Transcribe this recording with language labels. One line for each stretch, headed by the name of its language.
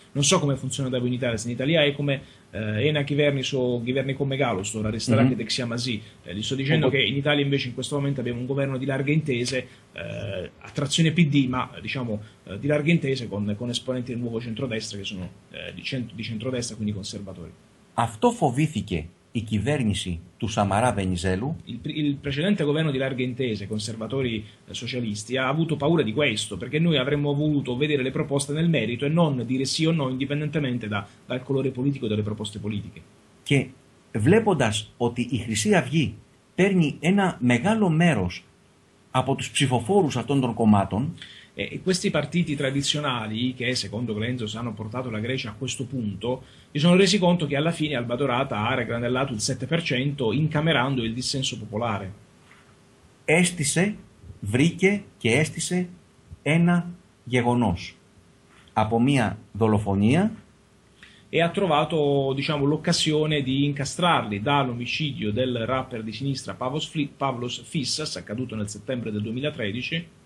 Italian: Non so come funziona da voi in Italia, se in Italia è come
Greek: ένα κυβέρνησο, κυβέρνη come Galos, τώρα αριστερά και δεξιά μαζί.
Italian: Gli sto dicendo che in Italia invece in questo momento abbiamo un governo di larghe intese, a trazione PD, ma diciamo di larghe intese con esponenti del nuovo centrodestra che sono di centrodestra, quindi conservatori.
Greek: Αυτό φοβήθηκε η κυβέρνηση του Σαμαρά Βενιζέλου.
Italian: Il precedente governo di larghe intese, conservatori socialisti, ha avuto paura di questo, perché noi avremmo voluto vedere le proposte nel merito e non dire sì o no indipendentemente dal colore politico delle proposte politiche.
Greek: Και βλέποντας ότι η Χρυσή Αυγή παίρνει ένα μεγάλο μέρος από τους ψηφοφόρους αυτών των κομμάτων.
Italian: E questi partiti tradizionali che secondo Glenzos hanno portato la Grecia a questo punto si sono resi conto che alla fine Alba Dorata ha raggrandellato il 7% incamerando il dissenso popolare.
Greek: Έστησε, βρήκε και έστησε ένα γεγονός από μια δολοφονία.
Italian: E ha trovato, diciamo, l'occasione di incastrarli dall'omicidio del rapper di sinistra Pavlos Fissas, accaduto nel settembre del 2013.